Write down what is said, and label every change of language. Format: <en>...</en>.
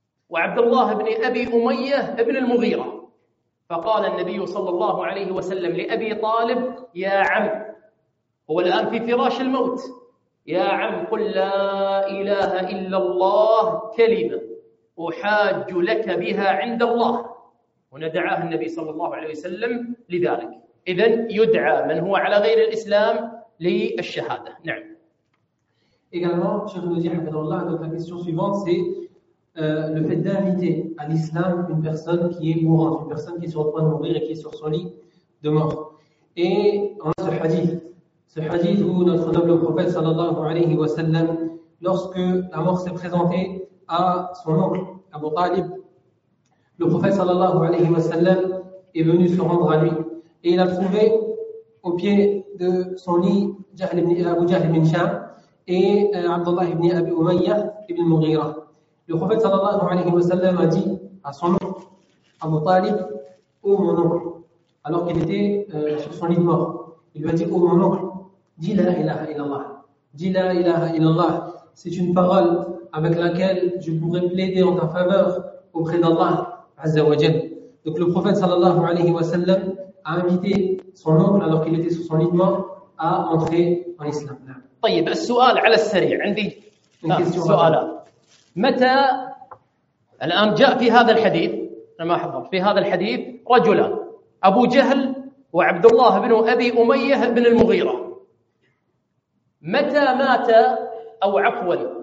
<ar>وعبد الله بن أبي أمية بن المغيرة، فقال النبي صلى الله عليه وسلم لأبي طالب يا عم، هو الآن في فراش الموت، يا عم قل لا إله إلا الله كلمة أحاج لك بها عند الله. هنا دعاه النبي صلى الله عليه وسلم لذلك. إذن يدعى من هو على غير الإسلام للشهادة. نعم.</ar> <fr>également, Cheikh Nadir Abdallah, donc la question suivante c'est le fait d'inviter à l'islam une personne qui est mourante, une personne qui est sur le point de mourir et qui est sur son lit de mort. Et on a ce hadith où notre noble prophète sallallahu alayhi wa sallam, lorsque la mort s'est présentée à son oncle, Abu Talib, le prophète sallallahu alayhi wa sallam est venu se rendre à lui. Et il a trouvé au pied de son lit Jahl ibn, Abu Jahl ibn Sham et Abdullah ibn Abi Umayyah ibn Mughira. Le prophète sallallahu alayhi wa sallam a dit à son oncle, Abu Talib, ô mon oncle, alors qu'il était sur son lit de mort, il lui a dit, ô mon oncle, dis la ilaha illallah, dis la ilaha illallah, c'est une parole avec laquelle je pourrais plaider en ta faveur auprès d'Allah Azza wa Jal. Donc le prophète sallallahu alayhi wa sallam a invité son oncle alors qu'il était sur son lit de mort à entrer en islam.</fr> <ar>طيب السؤال على السريع عندي سؤالات. متى الآن جاء في هذا الحديث لما حضر في هذا الحديث رجلان أبو جهل وعبد الله بن أبي أمية بن المغيرة متى مات أو عفوا</ar>